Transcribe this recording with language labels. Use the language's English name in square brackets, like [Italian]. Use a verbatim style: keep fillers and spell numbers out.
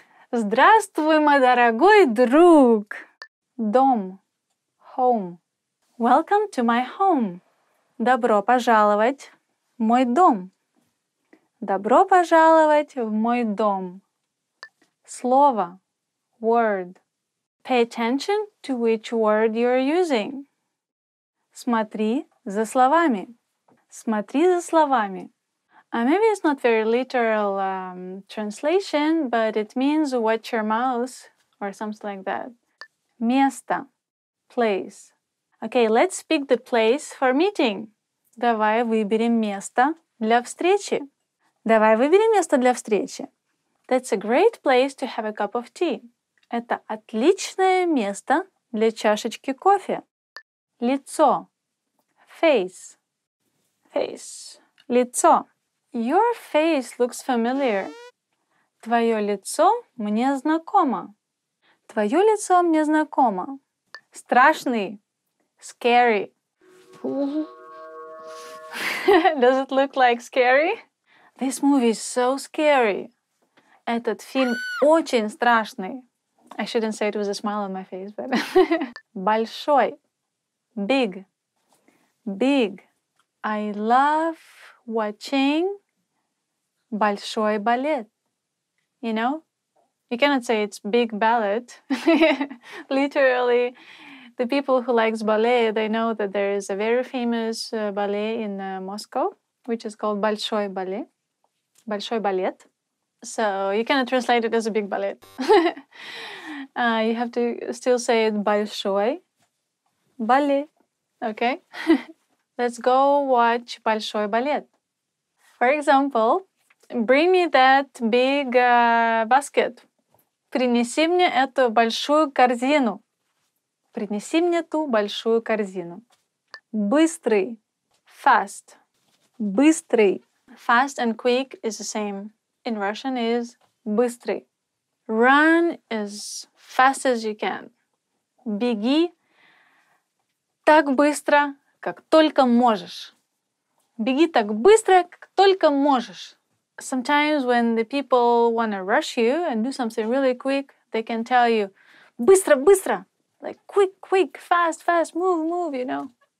[Russian] Здравствуй, мой дорогой друг. Дом. [English] Home. Welcome to my home. [Russian] Добро пожаловать в мой дом. Добро пожаловать в мой дом. Слово. [English] Word. Pay attention to which word you're using. [Russian] Смотри за словами. Смотри за словами. [English] Uh, maybe it's not very literal um, translation, but it means watch your mouth or something like that. [Russian] Место. [English] Place. Okay, let's pick the place for meeting. [Russian] Давай выберем место для встречи. Давай выберем место для встречи. [English] That's a great place to have a cup of tea. [Russian] Это отличное место для чашечки кофе. Лицо. [English] Face. Face. [Russian] Лицо. [English] Your face looks familiar. [Russian] Твое лицо мне знакомо. Твое лицо мне знакомо. Страшный. [English] Scary. Does it look like scary? This movie is so scary. [Russian] Этот фильм очень страшный. [English] I shouldn't say it with a smile on my face, but... [Russian] Большой. [English] Big. Big. I love watching [Russian] большой балет. [English] You know? You cannot say it's big ballet. Literally, the people who likes ballet, they know that there is a very famous uh, ballet in uh, Moscow, which is called [Russian] большой балет. Большой балет. [English] So you cannot translate it as a big ballet. Uh, you have to still say it [Russian] большой балет. [English] Okay? Let's go watch [Russian] большой балет. [English] For example, bring me that big uh, basket. [Russian] Принеси мне эту большую корзину. Принеси мне ту большую корзину. Быстрый. [English] Fast. [Russian] Быстрый. [English] Fast and quick is the same. In Russian is [Russian] быстрый. [English] Run as fast as you can. [Russian] Беги так быстро, как только можешь. Беги так быстро, как только можешь. [English] Sometimes when the people want to rush you and do something really quick, they can tell you, [Russian] быстро, быстро. [English] Like, quick, quick, fast, fast, move, move, you know.